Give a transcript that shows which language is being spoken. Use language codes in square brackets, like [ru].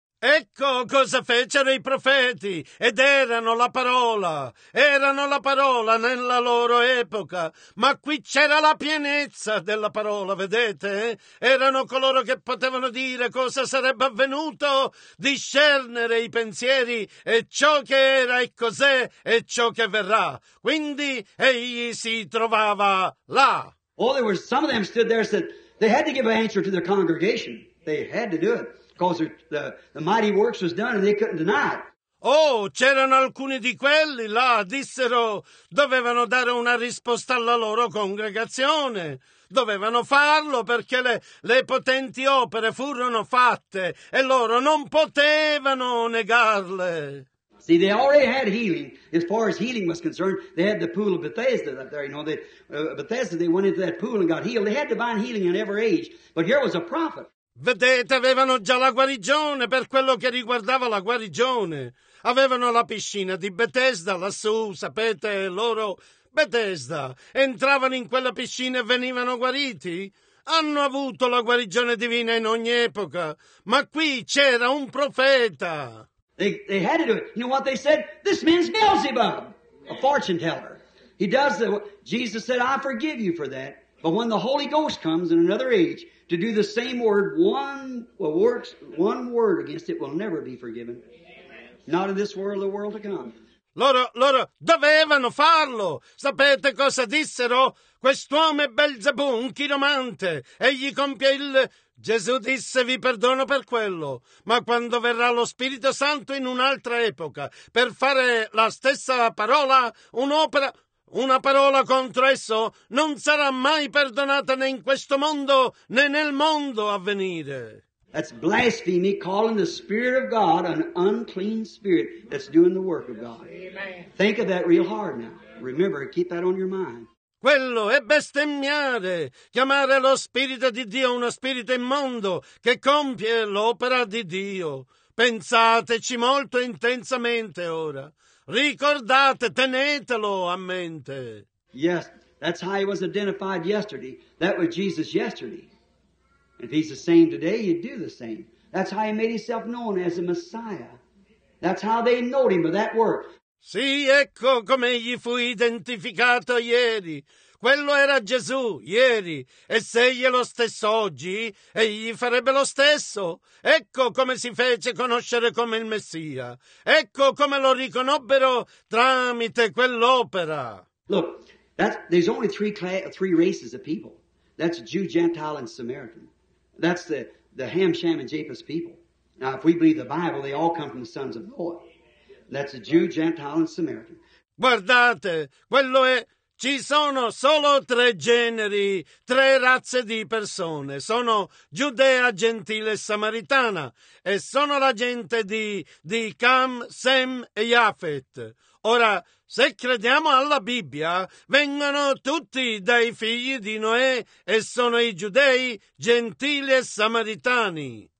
[it] Ecco cosa fecero i profeti, ed erano la parola nella loro epoca, ma qui c'era la pienezza della parola, vedete? Erano coloro che potevano dire cosa sarebbe avvenuto, discernere i pensieri e ciò che era e cos'è e ciò che verrà. Quindi egli si trovava là. [en] Oh, there were some of them stood there and said they had to give an answer to their congregation. They had to do it because the mighty works was done and they couldn't deny it. [it] Oh, c'erano alcuni di quelli là, dissero, dovevano dare una risposta alla loro congregazione. Dovevano farlo perché le potenti opere furono fatte e loro non potevano negarle. [en] See, they already had healing. As far as healing was concerned, they had the pool of Bethesda up there. You know, Bethesda, they went into that pool and got healed. They had divine healing in every age. But here was a prophet. [it] Vedete, avevano già la guarigione per quello che riguardava la guarigione. Avevano la piscina di Bethesda lassù, sapete, loro, Bethesda, entravano in quella piscina e venivano guariti. Hanno avuto la guarigione divina in ogni epoca, ma qui c'era un profeta. [en] They had to do it. You know what they said? This man's Beelzebub, a fortune teller. He does the, Jesus said, I forgive you for that. But when the Holy Ghost comes in another age to do the same word, one word against it will never be forgiven. Not in this world, the world to come. [it] Loro dovevano farlo. Sapete cosa dissero? Quest'uomo è Belzebù, un chiromante. Egli compie il... Gesù disse, vi perdono per quello. Ma quando verrà lo Spirito Santo in un'altra epoca, per fare la stessa parola, un'opera... Una parola contro esso non sarà mai perdonata né in questo mondo né nel mondo a venire. [en] That's blasphemy, calling the Spirit of God an unclean spirit that's doing the work of God. Amen. Think of that real hard now. Remember, keep that on your mind. [it] Quello è bestemmiare, chiamare lo Spirito di Dio uno spirito immondo che compie l'opera di Dio. Pensateci molto intensamente ora. Ricordate, tenetelo a mente. [en] Yes, that's how he was identified yesterday. That was Jesus yesterday. If he's the same today, he'd do the same. That's how he made himself known as a Messiah. That's how they know him by that work. [it] Sì, ecco come egli fu identificato ieri. Quello era Gesù ieri. E se egli è lo stesso oggi, egli farebbe lo stesso. Ecco come si fece conoscere come il Messia. Ecco come lo riconobbero tramite quell'opera. [en] Look, there's only three races of people. That's Jew, Gentile, and Samaritan. That's the Ham, Shem, and Japheth people. Now, if we believe the Bible, they all come from the sons of Noah. That's a Jew, Gentile, and Samaritan. [it] Guardate, quello è... Ci sono solo tre generi, tre razze di persone. Sono Giudea, Gentile e Samaritana. E sono la gente di Cam, Sem e Jafet. Ora, se crediamo alla Bibbia, vengono tutti dai figli di Noè e sono i Giudei, Gentili e Samaritani.